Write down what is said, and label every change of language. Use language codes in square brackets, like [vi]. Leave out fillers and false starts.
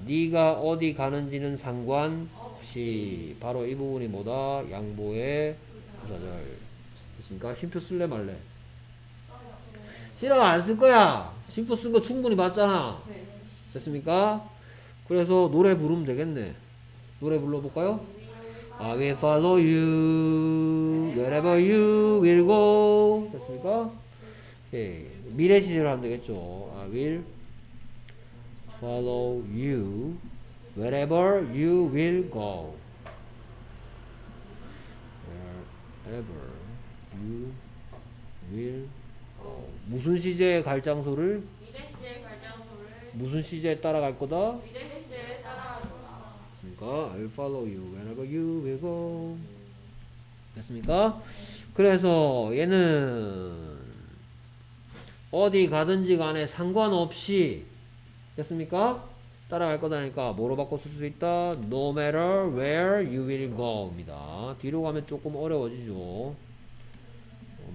[ko] 네가 어디 가는지는 상관없이 바로 이 부분이 뭐다? 양보의 부사절 됐습니까? 쉼표 쓸래 말래? 싫어 안 쓸 거야. 심포 쓴 거 충분히 봤잖아. 네. 됐습니까? 그래서 노래 부르면 되겠네. 노래 불러볼까요? [en] I will follow you wherever you will go. [ko] 됐습니까? 예. 미래 시제로 하면 되겠죠. [en] I will follow you wherever you will go. Wherever you will go. [ko] 무슨 시제에 갈 장소를? 미래 시제에 갈 장소를 무슨 시제에 따라갈 거다? 미래 시제에 따라갈 거다 됐습니까? [en] I'll follow you wherever you will go 됐습니까? [ko] 그래서 얘는 어디 가든지 간에 상관없이 됐습니까? 따라갈 거다니까 뭐로 바꿔 쓸 수 있다? [en] No matter where you will go 입니다 뒤로 가면 조금 어려워지죠 No